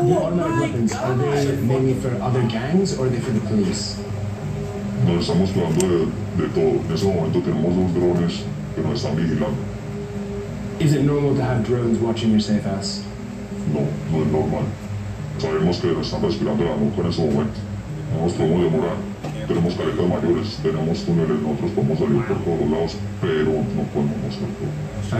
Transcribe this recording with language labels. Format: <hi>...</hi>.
<en>Oh, weapons, are they mainly for other gangs or are they for the police?</en> <es>No, estamos hablando de todo. En ese momento tenemos dos drones que nos están vigilando.</es> <en>Is it normal to have drones watching your safe house?</en> <es>No, no es normal. Sabemos que están respirando la nuca en ese momento. No nos podemos demorar. Tenemos caretas mayores, tenemos túneles, nosotros podemos salir por todos los lados, pero no podemos mostrar todo.</es>